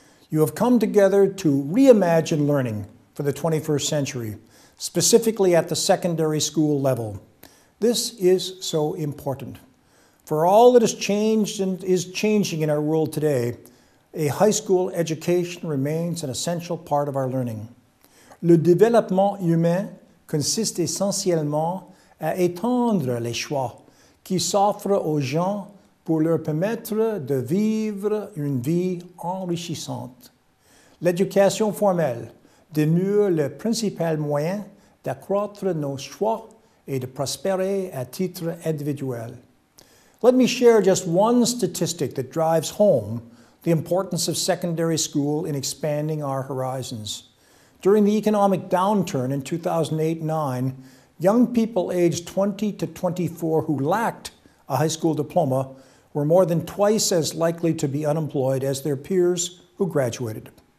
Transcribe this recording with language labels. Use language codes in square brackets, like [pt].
[en] You have come together to reimagine learning for the 21st century, specifically at the secondary school level. This is so important. For all that has changed and is changing in our world today, a high school education remains an essential part of our learning. [fr] Le développement humain consiste essentiellement à étendre les choix qui s'offrent aux gens pour leur permettre de vivre une vie enrichissante. L'éducation formelle demeure le principal moyen d'accroître nos choix et de prospérer à titre individuel. [en] Let me share just one statistic that drives home the importance of secondary school in expanding our horizons. During the economic downturn in 2008-09, young people aged 20 to 24 who lacked a high school diploma were more than twice as likely to be unemployed as their peers who graduated.